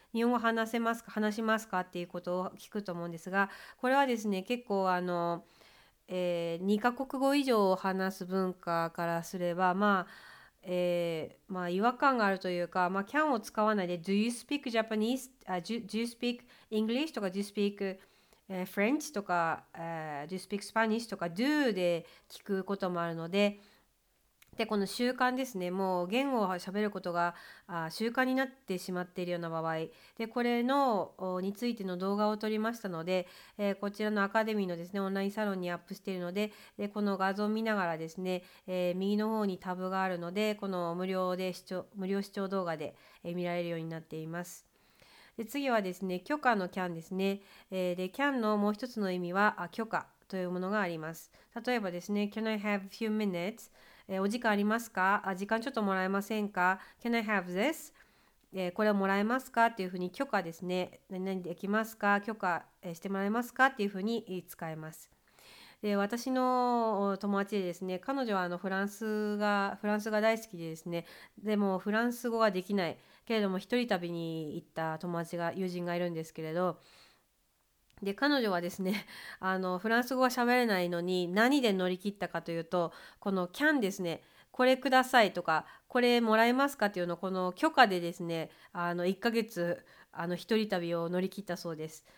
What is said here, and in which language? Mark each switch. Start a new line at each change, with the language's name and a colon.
Japanese: 日本語話せますか、話しますかっていうことを聞くと思うんですが、これはですね、結構2カ国語以上を話す文化からすれば、まあ違和感があるというか、まあ、can を使わないで、
English: Do you speak Japanese? Do you speak English? とか、Do you speak French? とか、Do you speak Spanish?
Japanese: とか、Do で聞くこともあるので、で、この習慣ですね、もう言語を喋ることが習慣になってしまっているような場合、で、これのについての動画を撮りましたので、こちらのアカデミーのですね、オンラインサロンにアップしているので、で、この画像を見ながらですね、右の方にタブがあるので、この無料視聴動画で見られるようになっています。で、次はですね、許可の can ですね。で、can のもう一つの意味は、許可というものがあります。
English: 例えばですね、Can I have a few minutes?
Japanese: お時間ありますか、時間ちょっともらえませんか、
English: Can I have this?、
Japanese: これをもらえますかっていうふうに許可ですね、何できますか、許可してもらえますかっていうふうに使えます。で、私の友達でですね、彼女はフランスが大好きでですね、でもフランス語ができないけれども一人旅に行った友人がいるんですけれど、で彼女はですね、フランス語は喋れないのに何で乗り切ったかというと、この can ですね、これくださいとかこれもらえますかっていうのをこの許可でですね、1ヶ月一人旅を乗り切ったそうです。